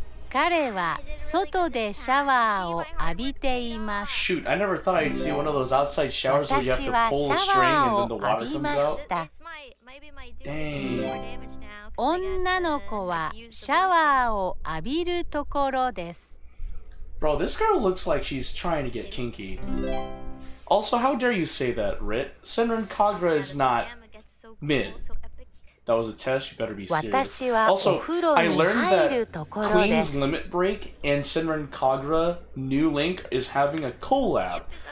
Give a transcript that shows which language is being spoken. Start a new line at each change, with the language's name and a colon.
Japanese: 彼は外でシャワーを浴びています。
English: Shoot, I never thought I'd see one of those outside showers where you have to pull a string and then the water comes out. Dang.
Japanese: 女の子はシャワーを浴びるところです。
English: Bro, this girl looks like she's trying to get kinky. Also, how dare you say that, Rit? Senran Kagura is not mid. That was a test, you better be serious. Also, I learned that Queen's Limit Break and Senran Kagura New Link is having a collab.